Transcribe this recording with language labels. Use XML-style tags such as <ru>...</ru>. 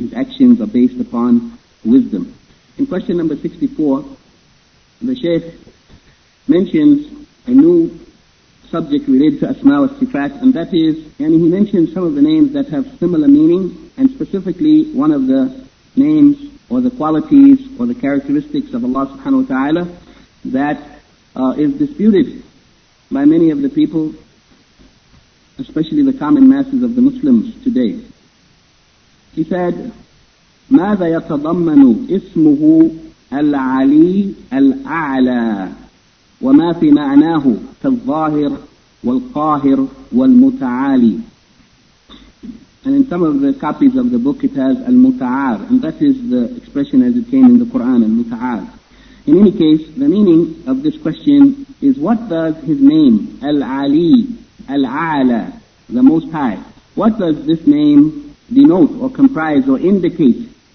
<en>His actions are based upon wisdom. In question number 64, the Shaykh mentions a new subject related to Asma wa Sifat, and that is, and he mentions some of the names that have similar meaning, and specifically one of the names or the qualities or the characteristics of Allah subhanahu wa ta'ala that is disputed by many of the people, especially the common masses of the Muslims today. He said,</en> <ar>ماذا يتضمن اسمه العلي الأعلى وما في معناه كالظاهر والقاهر والمتعالي.</ar> <en>And in some of the copies of the book it has المتعال, and that is the expression as it came in the Quran, المتعال. In any case, the meaning of this question is, what does his name العلي الأعلى, the Most High, what does this name denote or comprise or indicate?</en>